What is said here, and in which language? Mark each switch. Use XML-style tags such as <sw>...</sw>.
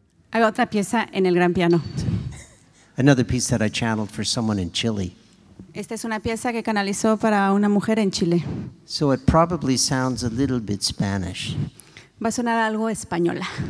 <es>Hago otra pieza en el gran piano.</es> <en>Another piece that I channeled for someone in Chile.</en> <es>Esta es una pieza que canalizó para una mujer en Chile.</es> <en>So it probably sounds a little bit Spanish.</en> <es>Va a sonar algo española.</es>